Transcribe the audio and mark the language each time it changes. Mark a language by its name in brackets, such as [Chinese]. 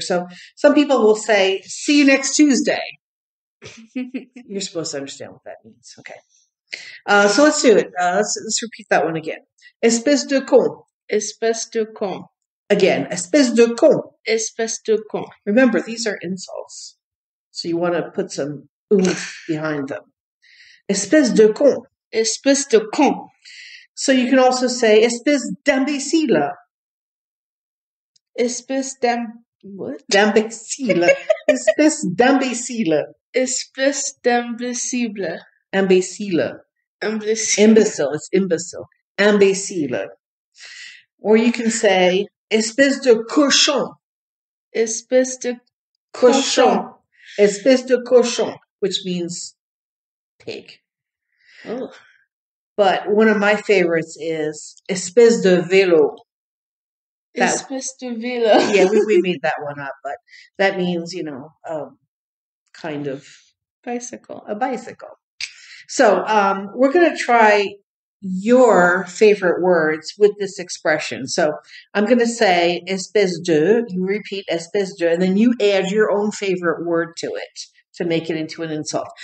[English] So some people will say, see you next Tuesday. You're supposed to understand what that means. Okay. So let's do it. Let's repeat that one again. [French] Espèce de con. Espèce de con. Again, espèce de con. Espèce de con. [English] Remember, these are insults. So you want to put some oomph behind them. [French] Espèce de con. Espèce de con. [English] So you can also say, [French] espèce d'imbécile. Espèce [English] what? [French] D'imbécile. Espèce d'imbécile. Espèce d'imbécile. Imbécile. Imbécile. Imbécile. It's imbécile. Imbécile. [English] Or you can say, [French] espèce de cochon. Espèce de cochon. Espèce de cochon, [English] which means pig. Oh. But one of my favorites is [French] espèce de vélo. Espèce de vélo. [English] Yeah, we made that one up, but that means, you know, kind of bicycle. A bicycle. So we're going to try your favorite words with this expression. So I'm going to say [French] espèce de, [English] you repeat espèce de, and then you add your own favorite word to it to make it into an insult.